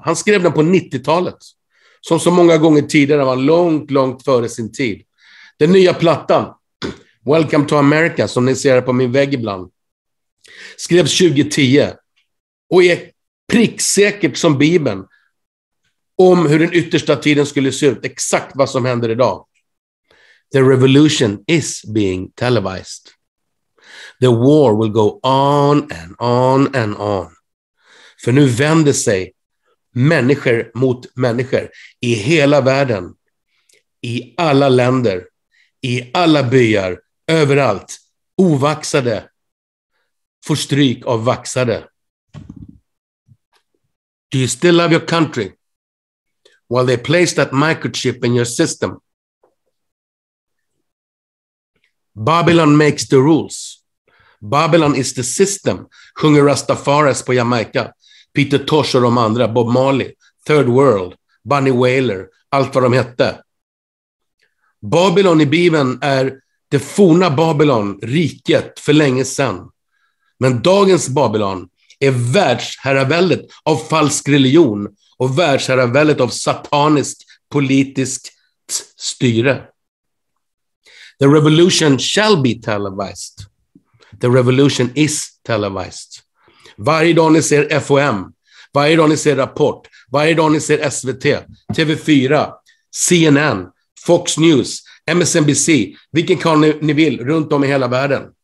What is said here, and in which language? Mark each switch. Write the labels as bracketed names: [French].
[Swedish] Han skrev den på 90-talet. Som så många gånger tidigare var långt, långt före sin tid. Den nya plattan, Welcome to America, som ni ser på min vägg ibland, skrevs 2010 och är pricksäkert som Bibeln om hur den yttersta tiden skulle se ut, exakt vad som händer idag. [English] The revolution is being televised. The war will go on and on and on. [Swedish] För nu vänder sig människor mot människor i hela världen, i alla länder, i alla byar, överallt. Ovaxade får stryk av vaxade. [English] Do you still love your country? Well, they placed that microchip in your system. Babylon makes the rules. Babylon is the system, [Swedish] sjunger Rastafaris på Jamaica. Peter Tosh och de andra, Bob Marley, Third World, Bunny Wailer, allt vad de hette. Babylon i Bibeln är det forna Babylon, riket, för länge sedan. Men dagens Babylon är världsherraväldet av falsk religion och världsherraväldet av sataniskt politiskt styre. [English] The revolution shall be televised. The revolution is televised. [Swedish] Varje dag ni ser FOM, varje dag ni ser Rapport, varje dag ni ser SVT, TV4, CNN, Fox News, MSNBC, vilken kanal ni vill runt om i hela världen.